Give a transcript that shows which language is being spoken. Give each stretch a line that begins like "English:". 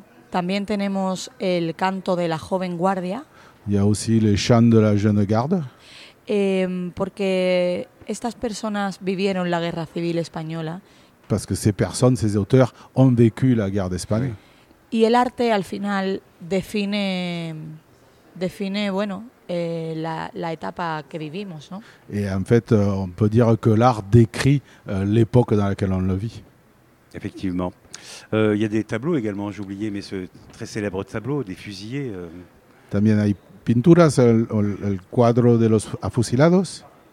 Spanish: También tenemos el canto de la joven guardia.
French: Y a aussi le chant de la jeune garde.
Spanish: Porque estas personas vivieron la guerra civil española.
French: Parce que ces personnes, ces auteurs, ont vécu la guerre d'Espagne.
Spanish: Y el arte al final define bueno, la etapa que vivimos, ¿no?
French: Et en fait, on peut dire que l'art décrit l'époque dans laquelle on le vit. Effectivement. Y a des tableaux également, j'ai oublié, mais ce très célèbre tableau, des fusillés.
Spanish: También hay pinturas, el cuadro de los afusilados.